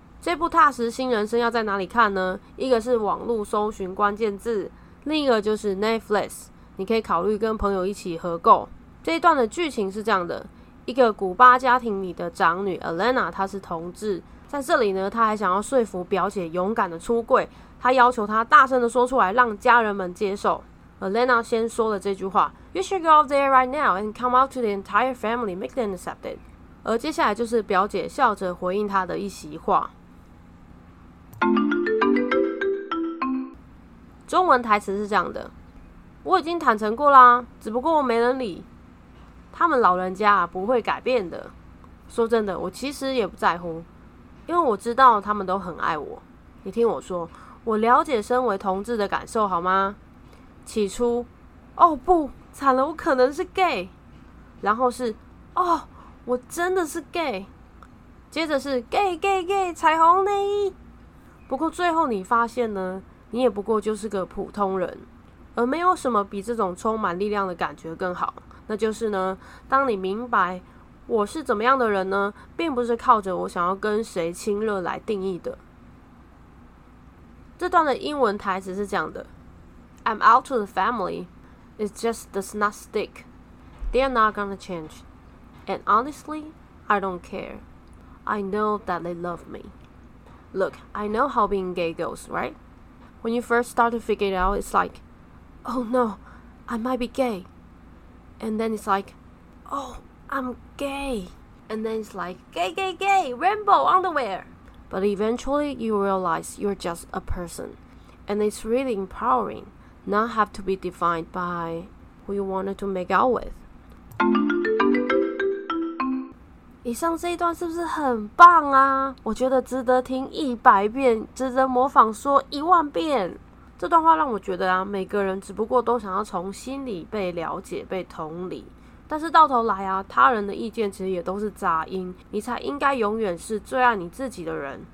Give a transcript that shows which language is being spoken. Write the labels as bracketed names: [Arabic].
[Chinese] 这部踏实新人生要在哪里看呢？一个是网络搜寻关键字，另一个就是 Netflix， 你可以考虑跟朋友一起合购。这一段的剧情是这样的，一个古巴家庭里的长女 Elena， 她是同志，在这里呢她还想要说服表姐勇敢的出柜，她要求她大声的说出来让家人们接受。 Elena 先说了这句话， [English] You should go out there right now and come out to the entire family, make them accepted。 [Chinese] 而接下来就是表姐笑着回应她的一席话。中文台词是这样的，我已经坦诚过啦，只不过我没人理，他们老人家不会改变的。说真的，我其实也不在乎，因为我知道他们都很爱我。你听我说，我了解身为同志的感受好吗？起初，哦不，惨了，我可能是 gay， 然后是，哦，我真的是 gay， 接着是 gay gay gay 彩虹内衣。不过最后你发现呢，你也不过就是个普通人，而没有什么比这种充满力量的感觉更好。那就是呢，当你明白我是怎么样的人呢，并不是靠着我想要跟谁亲热来定义的。这段的英文台词是这样的， [English] I'm out to the family, it just does not stick, they're not gonna change, and honestly, I don't care, I know that they love me. Look, I know how being gay goes, right? When you first start to figure it out, it's like, oh no, I might be gay. And then it's like, oh, I'm gay. And then it's like, gay, gay, gay, rainbow underwear. But eventually you realize you're just a person. And it's really empowering not have to be defined by who you wanted to make out with. [Chinese] 以上这一段是不是很棒啊？我觉得值得听100遍，值得模仿说10000遍。这段话让我觉得啊，每个人只不过都想要从心里被了解、被同理，但是到头来啊，他人的意见其实也都是杂音，你才应该永远是最爱你自己的人。